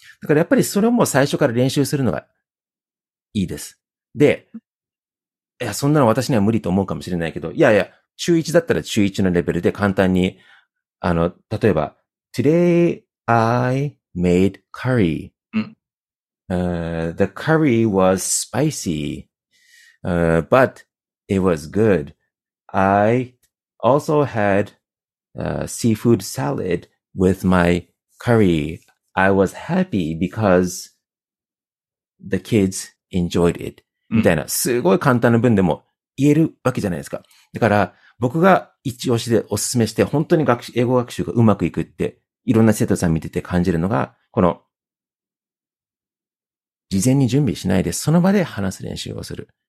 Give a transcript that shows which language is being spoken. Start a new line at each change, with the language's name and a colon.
Japanese: だからやっぱりそれをもう最初から練習するのがいいです。で、いや、そんなの私には無理と思うかもしれないけど、いやいや、中1だったら中1のレベルで簡単に、例えば、
English: Today I made curry.、うん、 the curry was spicy,、but it was good. I also had,、seafood salad with my curry. I was happy because the kids enjoyed it.
Japanese: みたいな、すごい簡単な文でも言えるわけじゃないですか。だから、僕が一押しでおすすめして、本当に英語学習がうまくいくって、いろんな生徒さん見てて感じるのが、この、事前に準備しないで、その場で話す練習をする。